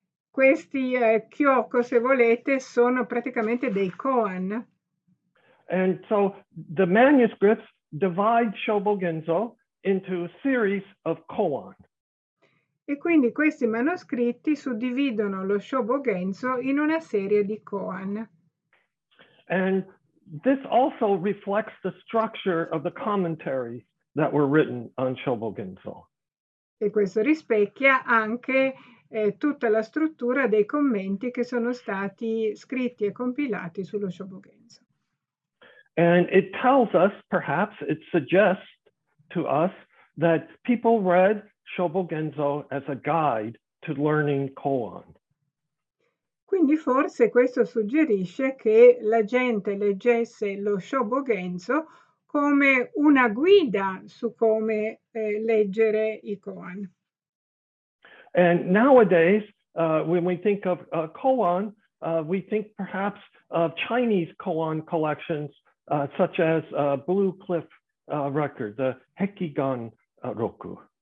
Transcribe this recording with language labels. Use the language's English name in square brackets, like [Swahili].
[Italian] Questi kyoko, se volete, sono praticamente dei koan. [English] And so the manuscripts divide Shobo Genzo into a series of koan. [Italian] E quindi questi manoscritti suddividono lo Shobo Genzo in una serie di koan. [English] And this also reflects the structure of the commentaries that were written on Shobo Genzo. [Italian] E questo rispecchia anche tutta la struttura dei commenti che sono stati scritti e compilati sullo Shobo Genzo. [English] And it tells us, perhaps it suggests to us, that people read Shobo Genzo as a guide to learning koan. [Italian] Quindi forse questo suggerisce che la gente leggesse lo Shobo Genzo come una guida su come leggere i koan. [English] And nowadays, when we think of koan, we think perhaps of Chinese koan collections, such as Blue Cliff Record, the Hekigan Roku.